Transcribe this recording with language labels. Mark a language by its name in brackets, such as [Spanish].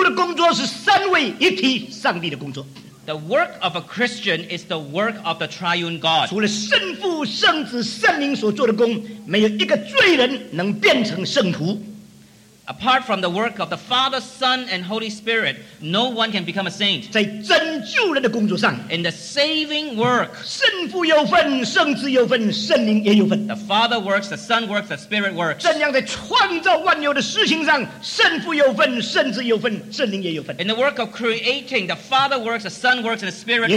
[Chinese] 在这一段的圣经里面给我们看见基督徒的工作是三位一体上帝的工作。 [English] The work of a Christian is the work of the triune God. [Chinese] 除了圣父、圣子、圣灵所做的工，没有一个罪人能变成圣徒。 [English] Apart from the work of the Father, Son, and Holy Spirit, no one can become a saint. [Chinese] 在拯救人的工作上, [English] in the saving work, [Chinese] 圣父有份，圣子有份，圣灵也有份。 [English] The Father works, the Son works, the Spirit works. [Chinese] 正像在创造万有的事情上，圣父有份，圣子有份，圣灵也有份。 [English] In the work of creating, the Father works, the Son works, and the Spirit